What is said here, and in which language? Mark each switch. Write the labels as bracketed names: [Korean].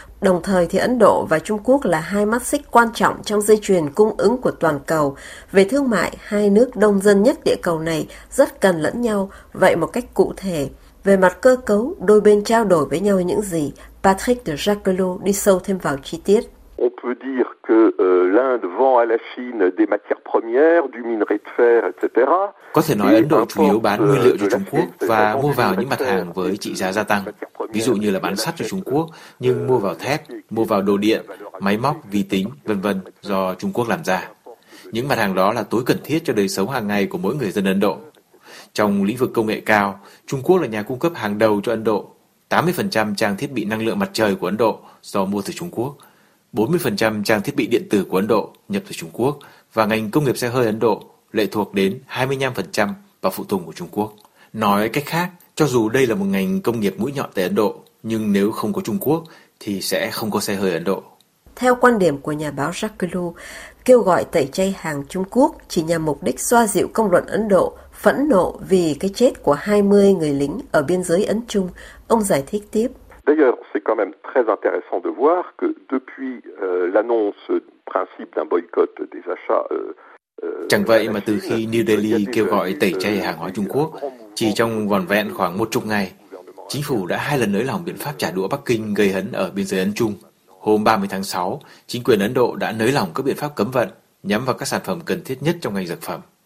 [Vietnamese] Đồng thời thì Ấn Độ và Trung Quốc là hai mắt xích quan trọng trong dây chuyền cung ứng của toàn cầu. Về thương mại, hai nước đông dân nhất địa cầu này rất cần lẫn nhau. Vậy một cách cụ thể, về mặt cơ cấu, đôi bên trao đổi với nhau những gì? Patrick de Jacquelot đi sâu thêm vào chi tiết. [French] On peut dire que l'Inde vend à la Chine des matières premières, du minerai de fer, etc. [Vietnamese] Có thể nói Ấn Độ chủ yếu bán nguyên liệu cho Trung Quốc và mua vào những mặt hàng với trị giá gia tăng. Ví dụ như là bán sắt cho Trung Quốc, nhưng mua vào thép, mua vào đồ điện, máy móc, vi tính, v.v. do Trung Quốc làm ra. Những mặt hàng đó là tối cần thiết cho đời sống hàng ngày của mỗi người dân Ấn Độ. Trong lĩnh vực công nghệ cao, Trung Quốc là nhà cung cấp hàng đầu cho Ấn Độ. 80% trang thiết bị năng lượng mặt trời của Ấn Độ do mua từ Trung Quốc. 40% trang thiết bị điện tử của Ấn Độ nhập từ Trung Quốc, và ngành công nghiệp xe hơi Ấn Độ lệ thuộc đến 25% vào phụ tùng của Trung Quốc. Nói cách khác, cho dù đây là một ngành công nghiệp mũi nhọn tại Ấn Độ, nhưng nếu không có Trung Quốc thì sẽ không có xe hơi Ấn Độ. Theo quan điểm của nhà báo Jacquelot, kêu gọi tẩy chay hàng Trung Quốc chỉ nhằm mục đích xoa dịu công luận Ấn Độ phẫn nộ vì cái chết của 20 người lính ở biên giới Ấn Trung. Ông giải thích tiếp. [French] D'ailleurs, c'est quand même très intéressant de voir que depuis l'annonce principe d'un boycott des achats. [Vietnamese] Chẳng vậy mà từ khi New Delhi kêu gọi tẩy chay hàng hóa Trung Quốc, chỉ trong vòn vẹn khoảng 10 ngày, chính phủ đã 2 lần nới lỏng biện pháp trả đũa Bắc Kinh gây hấn ở biên giới Ấn Trung. Hôm 30 tháng 6, chính quyền Ấn Độ đã nới lỏng các biện pháp cấm vận nhắm vào các sản phẩm cần thiết nhất trong ngành dược phẩm.